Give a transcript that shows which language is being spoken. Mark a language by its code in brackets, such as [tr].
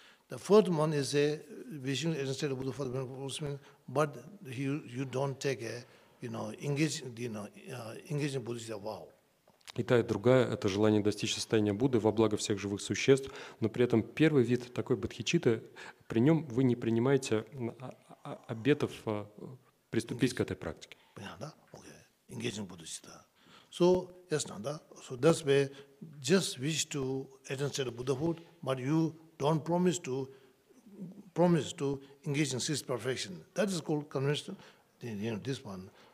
[en] The first one is a wishing to enter state of Buddha for the benefit of all sentient beings, but you don't take a, you know, engaging bodhicitta vow. [ru] И та, и другая – это желание достичь состояния Будды во благо всех живых существ, но при этом первый вид такой бодхичитты, при нем вы не принимаете обетов приступить к этой практике. Понятно, да? [en] Окей. Engaging bodhicitta. So, yes, no, да? So, that's why just wish to attain state of Buddhahood, but you don't promise to engage in six perfection. That is called conventional, you know, this one.